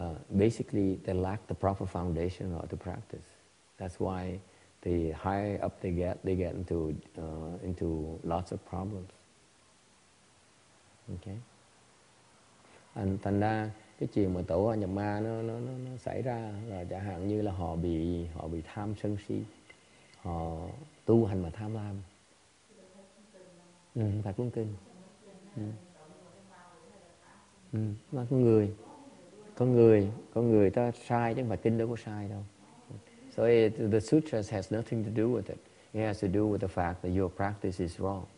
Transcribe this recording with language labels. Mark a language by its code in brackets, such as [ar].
[en] Basically they lack the proper foundation or the practice. That's why the higher up they get into lots of problems. Okay. [vi] And thành ra cái chuyện mà tẩu hoa nhập ma nó xảy ra là chẳng hạn như là họ bị tham sân si, họ tu hành mà tham lam. Phải cung kinh. Mà con người ta sai chứ không phải kinh đâu có sai đâu. [en] So the sutras has nothing to do with it. It has to do with the fact that your practice is wrong.